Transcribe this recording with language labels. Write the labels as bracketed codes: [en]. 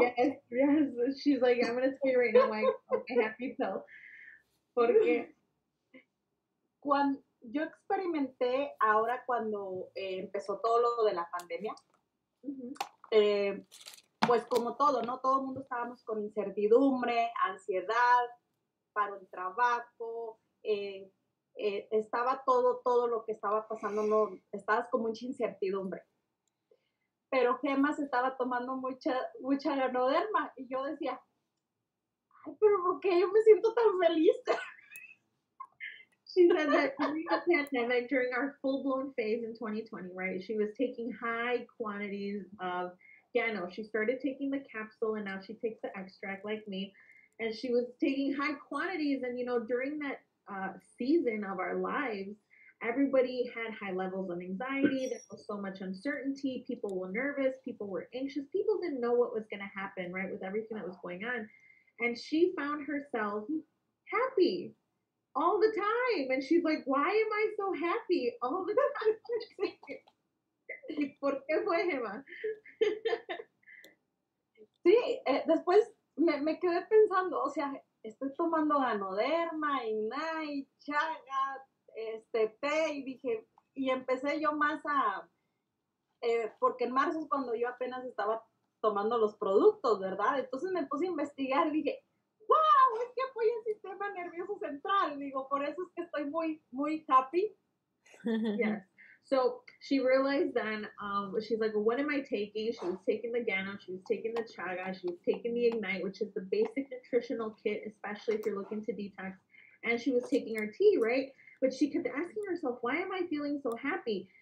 [en] Yes, she's like, I'm going to tell you right now, my happy pill. [es] Porque cuando yo experimenté ahora cuando empezó todo lo de la pandemia, uh-huh. Pues como todo, ¿no? Todo el mundo estábamos con incertidumbre, ansiedad, paro en trabajo, estaba todo lo que estaba pasando, no, estabas con mucha incertidumbre. Pero Gemma se estaba tomando mucha Ganoderma y yo decía, ay, pero ¿por qué yo me siento tan feliz? [en] She said that during the pandemic, during our full-blown phase in 2020, right, she was taking high quantities of Gano. She started taking the capsule, and now she takes the extract like me. And she was taking high quantities, and, you know, during that season of our lives, everybody had high levels of anxiety. There was so much uncertainty. People were nervous. People were anxious. People didn't know what was going to happen, right, with everything that was going on. And she found herself happy all the time, and she's like, why am I so happy all the time? [es] ¿Por qué fue, Gemma? Sí, después me quedé pensando, o sea, estoy tomando Ganoderma, Ignite, Chaga, té, y dije, y empecé yo más a, porque en marzo es cuando yo apenas estaba tomando los productos, ¿verdad? Entonces me puse a investigar y dije, ¡wow! Es que apoya el sistema nervioso central. Digo, por eso es que estoy muy, muy happy. [en] Yes. So she realized then, she's like, well, what am I taking? She was taking the Gano, she was taking the Chaga, she was taking the Ignite, which is the basic nutritional kit, especially if you're looking to detox. And she was taking her tea, right? But she kept asking herself, why am I feeling so happy?